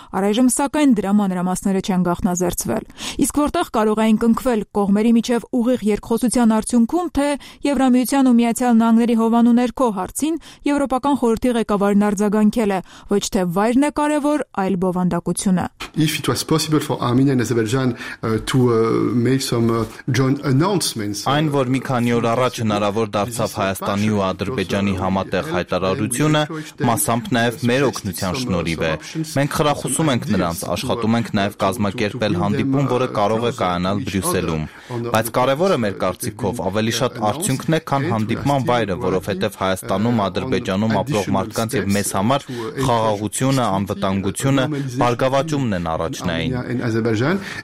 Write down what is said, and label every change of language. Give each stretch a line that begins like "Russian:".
Armenian: Առայժմ, սակայն, դրա մանրամասները չեն գաղտնազերծվել։ Իսկ որտեղ կարող էին կնքվել կողմերի միջև ուղիղ երկխոսության արդյունքում, թե Եվրամիության ու Միացյալ Նահանգների հովանու ներքո հարցին Եվրոպական խորհրդի ղեկավարն արձագանքել է, ոչ թե վայրն է կարևոր, այլ բովանդակությունը։
English: If it was possible for Armenia and Azerbaijan to make some joint announcements.
Armenian: Այն, որ մի քանի օր առաջ հնարավոր դարձավ Հայաստանի ու Ադրբեջանի համատեղ հայտարարությունը, մասամբ նաև մեր օգնության շնորհիվ է, Մենք խրախուսում ենք նրանց, աշխատում ենք նաև կազմակերպել հանդիպում, որը կարող է կայանալ Բրյուսելում։ Բայց կարևորը մեր կարծիքով ավելի շատ արդյունքն է, քան հանդիպման վայրը, որովհետև Հայաստանում, Ադրբեջանում ապրող մարդկանց և մեզ համար խաղաղությունը, անվտանգությունը բարգավաճումն են առաջնային։